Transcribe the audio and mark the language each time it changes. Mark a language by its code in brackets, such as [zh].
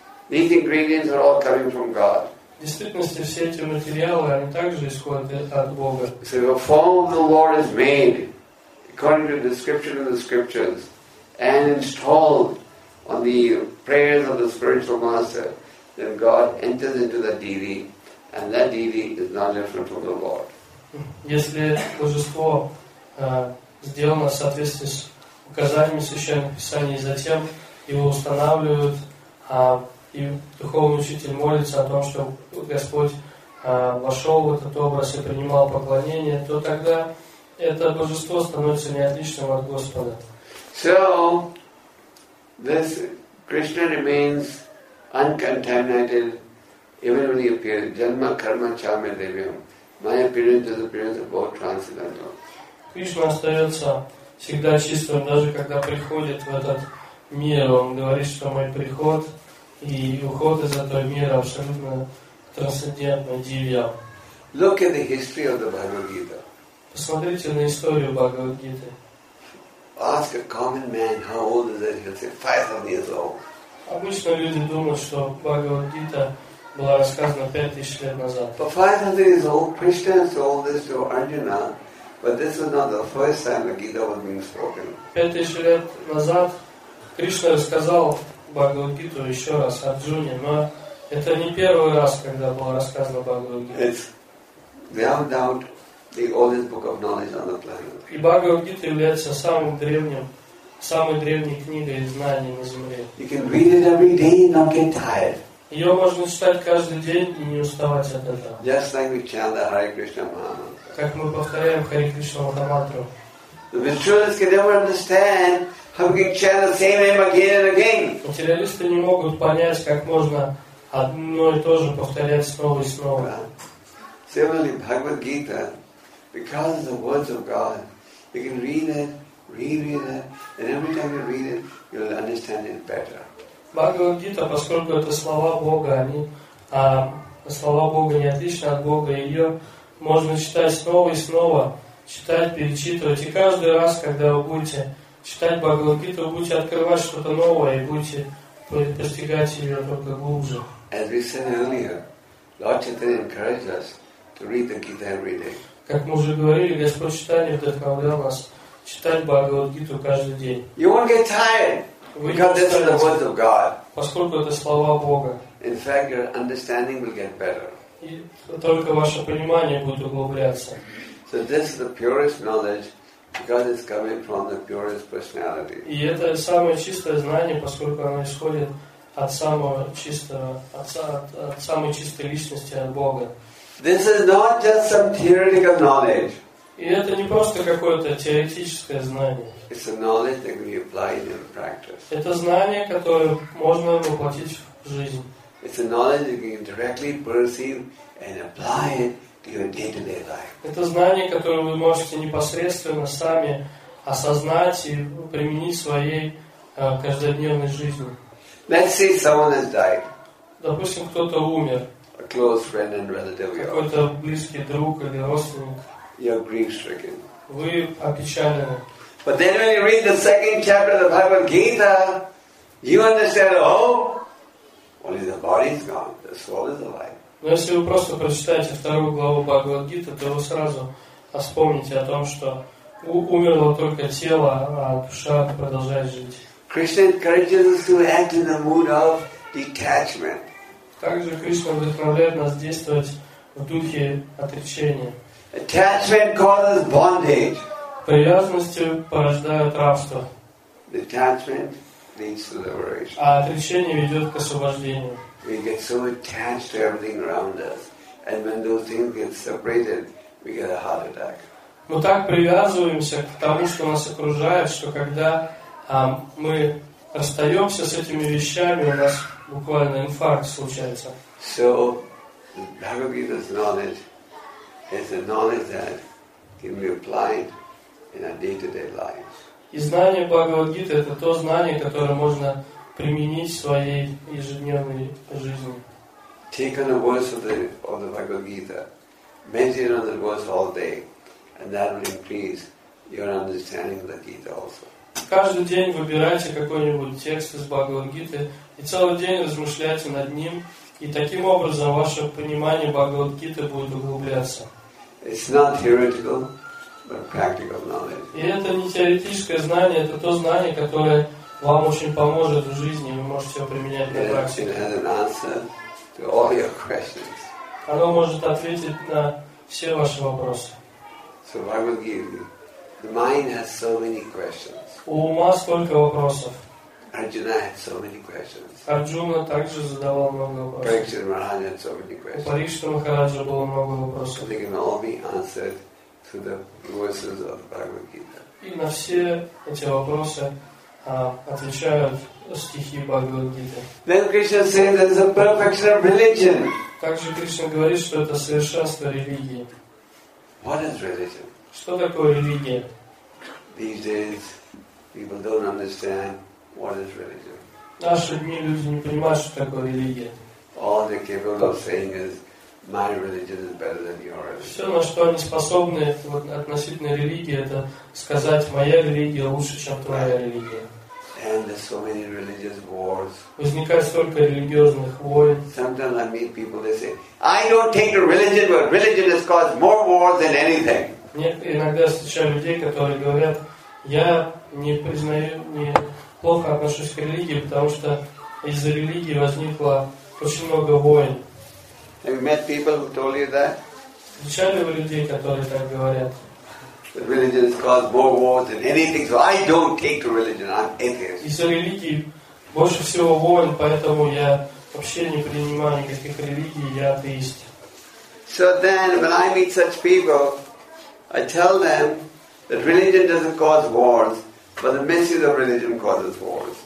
[en] These ingredients are all coming from God. [ru] В действительности все эти материалы, они также исходят от Бога. [en] So the form of the Lord is made according to the description of the scriptures and installed on the prayers of the spiritual master. Then God enters into that deity, and that deity is not different from the Lord. [ru] Если божество сделано в соответствии с указаниями священных писаний, затем его устанавливают, и духовный учитель молится о том, чтобы Господь вошел в этот образ и принимал поклонение, то тогда это божество становится неотличным от Господа. [en] So this Krishna remains uncontaminated, even when he appears, [sa] janma karma chame devyam. [en] My appearance is appearance of both transcendental. [ru] Кришна остается всегда чистым, даже когда приходит в этот мир. Он говорит, что мой приход и уход из этого мира абсолютно трансцендентный, дивья. [en] Look at the history of the Bhagavad Gita. [ru] Посмотрите на историю Бхагавад Гиты. [en] Ask a common man how old is it, he'll say 5,000 years old. [ru] Обычно люди думают, что Бхагавад-гита была рассказана 5000 лет назад. [en] But 500 years old, Krishna told this to Arjuna, but this is not the first time the Gita was being spoken. [ru] 5000 лет назад Кришна рассказал Бхагавад-гиту еще раз Арджуне, но это не первый раз, когда было рассказано Бхагавад-гиту. [en] It's without doubt the oldest book of knowledge on the planet. [ru] И Бхагавад-гита является самым древним. Самой древней книгой знаний на Земле. [en] You can read it every day and not get tired. [ru] Ее можно читать каждый день и не уставать от этого. [en] Just like we chant the Hare Krishna Mantra. [ru] Как мы повторяем Hare Krishna Mantra. [en] The materialists can never understand how we can chant the same name again and again. [ru] Материалисты не могут понять, как можно одно и то же повторять снова и снова. [en] Similarly, Bhagavad Gita, because of the words of God, you can read it. Read it, and every time you read it, you'll understand it better. [ru] Бхагавад-гита, поскольку это слова Бога, они слова Бога не отличны от Бога, ее можно читать снова и снова, читать, перечитывать, и каждый раз, когда вы будете читать Бхагавад-гиту, вы будете открывать что-то новое и будете постигать ее только глубже. [en] As we said earlier, Lord Chaitanya encouraged us to read the Gita every day. [ru] Как мы уже говорили, Господь Читание вдохновлял нас. Читать Бхагавад-гиту каждый день. [en] You won't get tired, because this is the words of God. [ru] Поскольку это слова Бога. [en] In fact, your understanding will get better. [ru] И только ваше понимание будет углубляться. [en] So this is the purest knowledge, because it's coming from the purest personality. [ru] И это самое чистое знание, поскольку оно исходит от самого чистого, от самой чистой личности, от Бога. [en] This is not just some theoretical knowledge. [ru] И это не просто какое-то теоретическое знание. [en] It's a knowledge that we apply in practice. [ru] Это знание, которое можно воплотить в жизнь. [en] It's a knowledge that you can directly perceive and apply it to your day-to-day life. [ru] Это знание, которое вы можете непосредственно сами осознать и применить в своей каждодневной жизни. [en] Let's say someone has died. [ru] Допустим, кто-то умер. [en] A close friend and relative. [ru] Какой-то близкий друг или родственник. [en] You're grief-stricken. [ru] Вы опечалены. [en] But then when you read the second chapter of the Bhagavad Gita, you understand, oh, only the body is gone, the soul is alive. [ru] Но если вы просто прочитаете вторую главу Бхагавад Гиты, то вы сразу вспомните о том, что умерло только тело, а душа продолжает жить. [en] Krishna encourages us to act in the mood of detachment. [ru] Также Кришна вдохновляет нас действовать в духе отречения. [en] Attachment causes bondage. [ru] Привязанности порождают рабство. [en] Detachment leads to liberation. [ru] А отречение ведет к освобождению. [en] We get so attached to everything around us, and when those things get separated, we get a heart attack. [ru] Мы так привязываемся к тому, что нас окружает, что когда мы расстаемся с этими вещами, у нас буквально инфаркт случается. [en] So, Bhagavad Gita is knowledge. It's the knowledge that can be applied in our day-to-day lives. [ru] И знание Бхагавад-гиты это то знание, которое можно применить в своей ежедневной жизни. [en] Take on the words of the Bhagavad-gita, meditate on the words all day, and that will increase your understanding of the Gita also. [ru] Каждый день выбирайте какой-нибудь текст из Бхагавад-гиты и целый день размышляйте над ним. И таким образом ваше понимание Бхагавад-гиты будет углубляться. [en] It's not theoretical, but practical knowledge. [ru] И это не теоретическое знание, это то знание, которое вам очень поможет в жизни, и вы можете его применять на практике. [en] It has an answer to all your questions. [ru] Оно может ответить на все ваши вопросы. [en] So Bhagavad-gita, the mind has so many questions. [ru] У ума столько вопросов. [en] Arjuna had so many questions. [ru] Arjuna также задавал много вопросов. [en] Parikshit Maharaj had so many questions. [ru] Parikshit Maharaj было много вопросов. [en] They can all be answered through the verses of Bhagavad Gita. [ru] И на все эти вопросы отвечают стихи Бхагавад Гиты. [en] Then Krishna says that it's a perfection of religion. [ru] Также Кришна говорит, что это совершенство религии. [en] What is religion? [ru] Что такое религия? [en] These days people don't understand. What is religion? [ru] Наши дни люди не понимают, что такое религия. [en] All they're capable of saying is, my religion is better than yours. [ru] Все, на что они способны относительно религии, это сказать, моя религия лучше, чем твоя религия. [en] And there's so many religious wars. [ru] Возникает столько религиозных войн. [en] Sometimes I meet people, they say, I don't take a religion, but religion has caused more wars than anything. [ru] Иногда встречаю людей, которые говорят, я не признаю, не плохо отношусь к религии, потому что из-за религии возникло очень много войн. [en] Have you met people who told you that? [ru] Встречали вы людей, которые так говорят? [en] Religion has caused more wars than anything, so I don't take to religion. I'm atheist. [ru] Из-за религии больше всего войн, поэтому я вообще не принимаю никаких религий, я атеист. [en] So then, when I meet such people, I tell them that religion doesn't cause wars, but the message of religion causes wars.